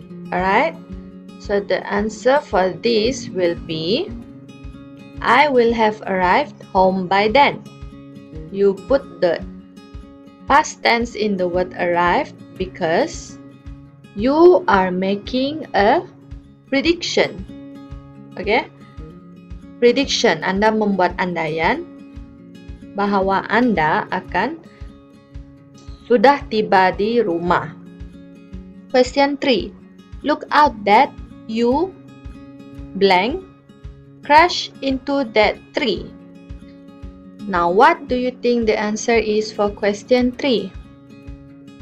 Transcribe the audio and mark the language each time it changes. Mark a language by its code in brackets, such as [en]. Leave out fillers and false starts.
[en] Alright, so the answer for this will be, I will have arrived home by then. You put the past tense in the word arrived because you are making a prediction. [ms] Okay, prediction, Anda membuat andaian bahwa Anda akan sudah tiba di rumah. [en] Question 3. Look out that you blank crash into that tree. Now what do you think the answer is for question 3?